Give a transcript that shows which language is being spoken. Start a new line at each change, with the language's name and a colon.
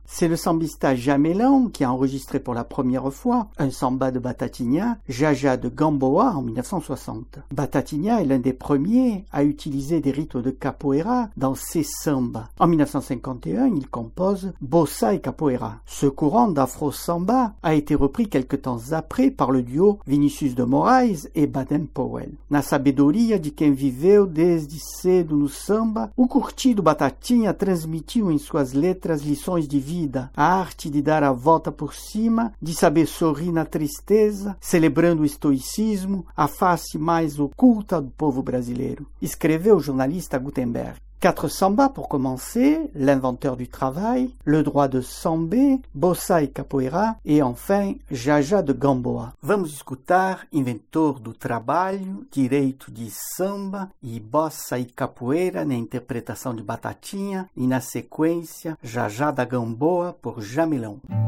French: C'est le sambista Jamelão qui a enregistré pour la première fois un samba de Batatinha, Jaja de Gamboa, en 1960. Batatinha est l'un des premiers à utiliser des rites de capoeira dans ses sambas. En 1951, il compose Bossa e Capoeira. Ce courant d'Afro Samba a été repris quelque temps après par le duo Vinicius de Moraes et Baden Powell.
Portuguese: Na sabedoria de quem viveu desde cedo no samba, o curtido Batatinha transmitiu em suas letras lições de vida, a arte de dar a volta por cima, de saber sorrir na tristeza, celebrando o estoicismo, a face mais oculta do povo brasileiro, escreveu o jornalista Gutenberg.
French: Quatre sambas pour commencer, L'inventeur du travail, Le droit de samba, Bossa e Capoeira et enfin Jaja de Gamboa.
Portuguese: Vamos escutar Inventor do Trabalho, Direito de Samba e Bossa e Capoeira na interpretação de Batatinha e na sequência Jaja da Gamboa por Jamelão.